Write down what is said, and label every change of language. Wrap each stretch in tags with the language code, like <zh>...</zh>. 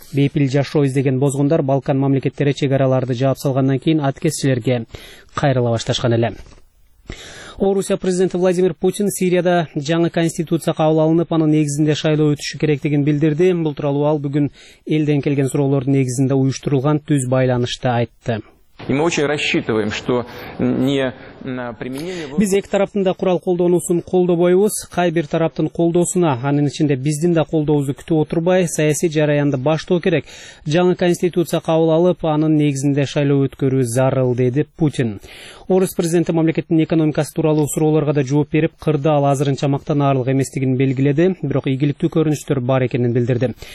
<ky>Бейпил жашоо издеген бозгундар Балкан мамлекеттери чек араларды жаап салгандан кийин аткесчилерге кайрыла башташкан эле. Орусия президенти Владимир Путин Сирияда жаңы конституция кабыл алынып, анын негизинде шайлоо өтүшү керектигин билдирди. Бул тууралуу ал бүгүн элден келген суроолордун негизинде уюштурулган түз байланышта айтты.</ky> <ru>И мы очень рассчитываем, что не на применение...</ru> <ky>Биз эки тараптын да курал колдонуусун колдобойбуз, кай бир тараптын колдоосуна, анын ичинде биздин да колдообузду күтүп отурбай, саясий жараянды баштоо керек. Жаңы конституция кабыл алып, анын негизинде шайлоо өткөрүү зарыл, деди Путин. Орус президенти мамлекеттин экономикасы тууралуу суроолорго да жооп берип, кырдаал азырынча мактанаарлык эместигин белгиледи, бирок ийгиликтүү көрүнүштөр бар экенин билдирди.</ky>